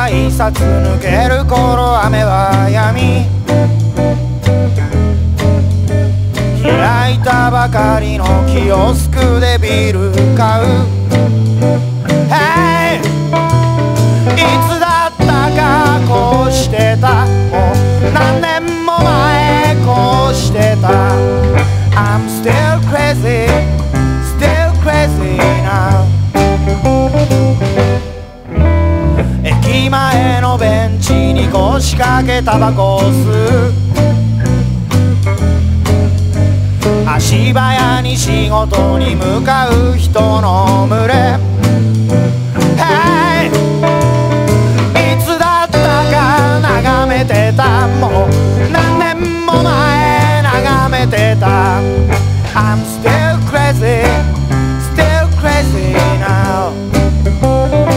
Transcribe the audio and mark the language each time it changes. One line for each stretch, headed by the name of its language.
Japanese: 札抜ける頃雨は止み、開いたばかりのキオスクでビール買う。 Hey! いつだったかこうしてた、もう何年も前こうしてた。
English: I'm still crazy, still crazy now。
Japanese: 駅前のベンチに腰掛けタバコを吸う。足早に仕事に向かう人の群れ、 Hey! いつだったか眺めてた、もう何年も前眺めてた。
English: I'm still crazy, still crazy now。